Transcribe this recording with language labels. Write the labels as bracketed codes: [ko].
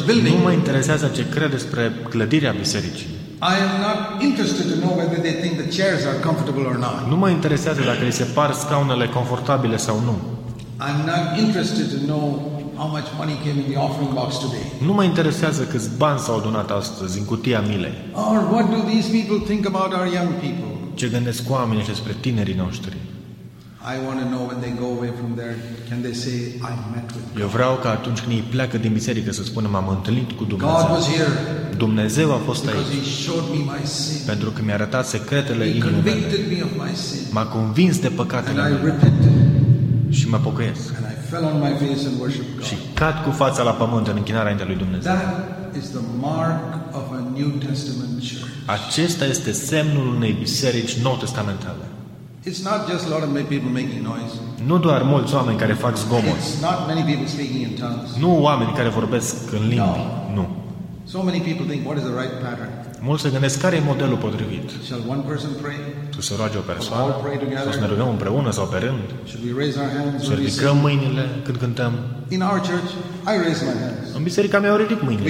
[ro] Nu mă interesează ce cred despre clădirea bisericii. [en] I am not interested to know whether they think the chairs are comfortable or not. [ro] Nu mă interesează dacă li se par scaunele confortabile sau nu. [en] I'm not interested to know how much money came in the offering box today. [ro] Nu mă interesează câți bani s-au adunat astăzi în cutia milei. [en] Or what do these people think about our young people? [ro] Ce gândesc oamenii despre tinerii noștri? [en] I want to know when they go away from there, can they say I met with God? [ro] Eu vreau ca atunci când ei pleacă din biserică să spună m-am întâlnit cu Dumnezeu. [en] God was here. [ro] Dumnezeu a fost [en] because [ro] aici. [en] He showed me my sin. [ro] Pentru că mi-a arătat secretele inimii. [en] He convicted me of my sin. [ro] M-a convins de păcatele mele. [en] And I repented. [ro] Și mă pocăiesc. [en] And I fell on my face and worshiped God. [ro] Și cad cu fața la pământ în închinarea înaintea lui Dumnezeu. [en] That is the mark of a New Testament church. [ro] Acesta este semnul unei biserici nou testamentale. [en] It's not just a lot of people making noise. [ro] Nu doar mulți oameni care fac zgomot. [en] It's not many people speaking in tongues. [ro] Nu oameni care vorbesc în limbi. [en] No. [ro] Nu. [en] So many people think what is the right pattern. [ro] Mulți se gândesc care e modelul potrivit. [en] Shall one person pray? [ro] Tu să roage o persoană? [en] Or all pray together? [ro] Să ne rugăm împreună sau pe rând? [en] Should we raise our hands? [ro] Să ridicăm mâinile când cântăm? [en] In our church, I raise my hands. [ro] În biserica mea eu ridic mâinile.